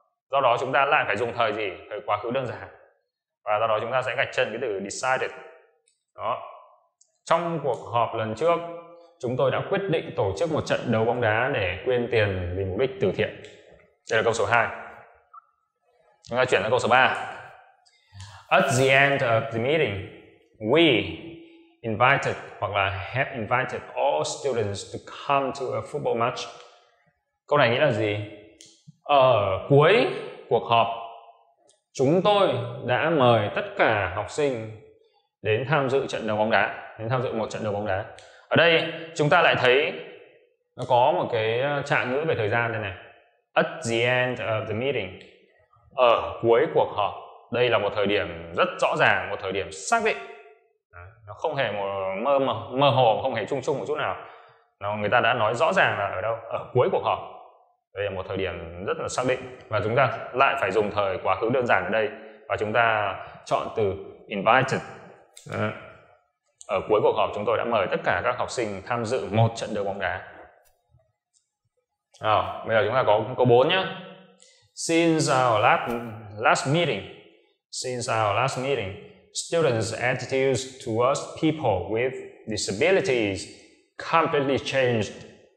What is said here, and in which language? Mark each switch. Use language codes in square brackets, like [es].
[vi] Do đó chúng ta lại phải dùng thời gì? Thời quá khứ đơn giản. Và do đó chúng ta sẽ gạch chân cái từ decided. Đó. Trong cuộc họp lần trước, chúng tôi đã quyết định tổ chức một trận đấu bóng đá để quyên tiền vì mục đích từ thiện. Đây là câu số 2. Chúng ta chuyển sang câu số 3. [en] At the end of the meeting, we invited [vi] hoặc là [en] have invited all students to come to a football match. [vi] Câu này nghĩa là gì? Ở cuối cuộc họp, chúng tôi đã mời tất cả học sinh đến tham dự trận đấu bóng đá, đến tham dự một trận đấu bóng đá. Ở đây chúng ta lại thấy nó có một cái trạng ngữ về thời gian đây này. [en] At the end of the meeting, [vi] ở cuối cuộc họp, đây là một thời điểm rất rõ ràng, một thời điểm xác định. Nó không hề mơ hồ, không hề chung chung một chút nào. Người ta đã nói rõ ràng là ở đâu? Ở cuối cuộc họp. Đây là một thời điểm rất là xác định. Và chúng ta lại phải dùng thời quá khứ đơn giản ở đây. Và chúng ta chọn từ invited. Ở cuối cuộc họp chúng tôi đã mời tất cả các học sinh tham dự một trận đấu bóng đá. Bây giờ chúng ta có câu 4 nhé. [en] Since our last meeting, students' attitudes towards people with disabilities completely changed.